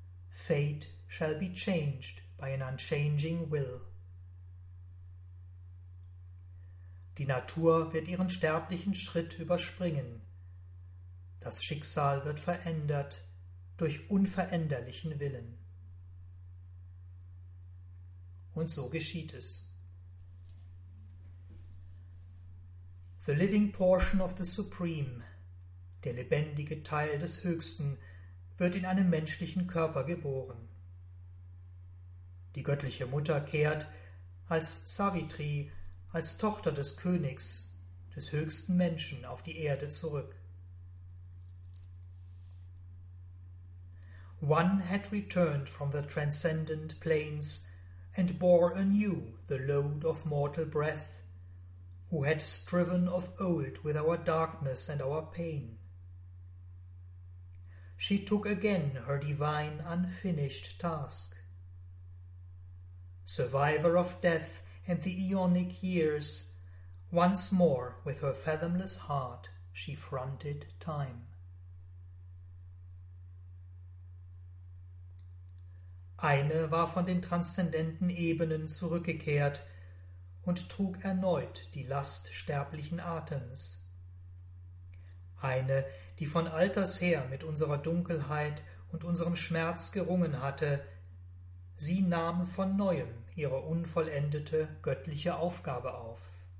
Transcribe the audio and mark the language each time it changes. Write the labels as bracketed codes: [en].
[en] Fate shall be changed by an unchanging will. [de] Die Natur wird ihren sterblichen Schritt überspringen. Das Schicksal wird verändert durch unveränderlichen Willen. Und so geschieht es. [en] The living portion of the Supreme, [de] der lebendige Teil des Höchsten, wird in einem menschlichen Körper geboren. Die göttliche Mutter kehrt als Savitri, als Tochter des Königs, des höchsten Menschen auf die Erde zurück. [en] One had returned from the transcendent planes and bore anew the load of mortal breath, who had striven of old with our darkness and our pain. She took again her divine unfinished task. Survivor of death and the aeonic years, once more with her fathomless heart she fronted time. [de] Eine war von den transzendenten Ebenen zurückgekehrt und trug erneut die Last sterblichen Atems. Eine, die von alters her mit unserer Dunkelheit und unserem Schmerz gerungen hatte, sie nahm von Neuem ihre unvollendete göttliche Aufgabe auf.